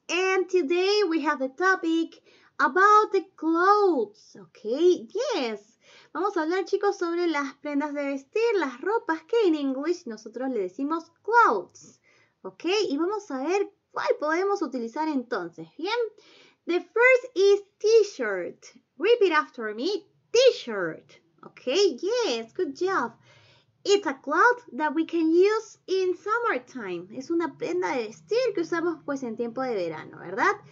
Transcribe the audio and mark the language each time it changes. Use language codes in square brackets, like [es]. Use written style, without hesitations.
[en] And today we have a topic about the clothes. Okay, yes. [es] Vamos a hablar, chicos, sobre las prendas de vestir, las ropas que en English nosotros le decimos clothes. Okay, y vamos a ver cuál podemos utilizar entonces. [en] Bien. The first is t-shirt. Repeat after me. T-shirt. Okay, yes, good job. It's a cloth that we can use in summertime. [es] Es una prenda de vestir que usamos pues en tiempo de verano, ¿verdad?